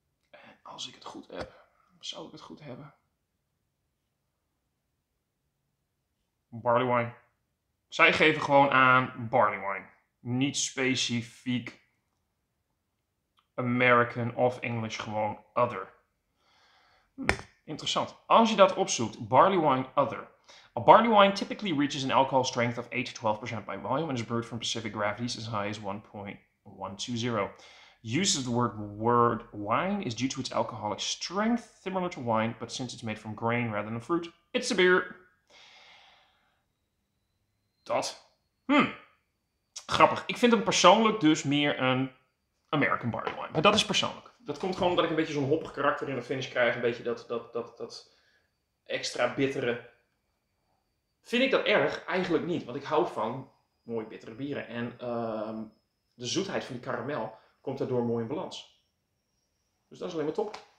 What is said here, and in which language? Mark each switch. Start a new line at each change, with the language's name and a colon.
Dutch: En als ik het goed heb, zou ik het goed hebben. Barley wine. Zij geven gewoon aan barley wine. Niet specifiek American of English, gewoon other. Interessant. Als je dat opzoekt, barley wine other.
English: A barley wine typically reaches an alcohol strength of 8 to 12% by volume and is brewed from specific gravities as high as 1.120. Use of the word wine is due to its alcoholic strength, similar to wine, but since it's made from grain rather than fruit, it's a beer.
Dutch: Dat. Grappig. Ik vind hem persoonlijk dus meer een American barley wine. Maar dat is persoonlijk. Dat komt gewoon omdat ik een beetje zo'n hoppig karakter in de finish krijg. Een beetje dat extra bittere. Vind ik dat erg? Eigenlijk niet. Want ik hou van mooi bittere bieren. En de zoetheid van die karamel komt daardoor mooi in balans. Dus dat is alleen maar top.